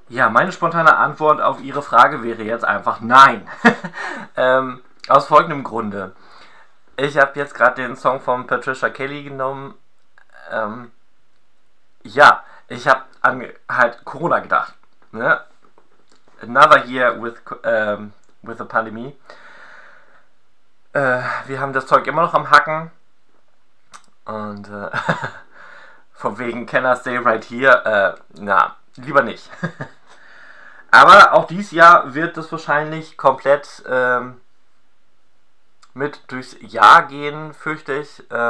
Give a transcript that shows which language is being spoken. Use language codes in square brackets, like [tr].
[de] meine spontane Antwort auf Ihre Frage wäre jetzt einfach nein. aus folgendem Grunde. Ich habe jetzt gerade den Song von Patricia Kelly genommen. Ja, ich habe an halt Corona gedacht. Ne? [en] Another year with the pandemic. [de] Wir haben das Zeug immer noch am Hacken. Und von wegen Can I Stay Right Here? Na, lieber nicht. Aber auch dieses Jahr wird das wahrscheinlich komplett mit durchs Jahr gehen, fürchte ich.